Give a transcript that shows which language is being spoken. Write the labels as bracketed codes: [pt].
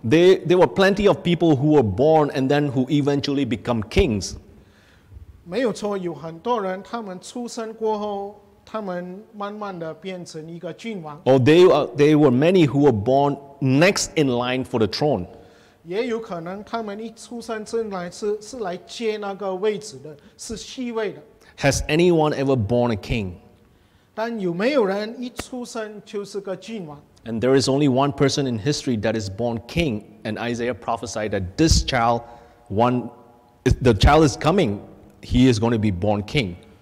[en] There were plenty of people who were born and then who eventually become kings. [zh] 没有错,有很多人他们出生过后, 他们慢慢地变成一个君王。 [en] Or there were many who were born next in line for the throne. [zh] 也有可能他们一出生是来接那个位置的,是继位的。 [en] Has anyone ever born a king? [zh] 但有没有人一出生就是个君王? [en] And there is only one person in history that is born king, and Isaiah prophesied that this child, the child is coming, he is going to be born king.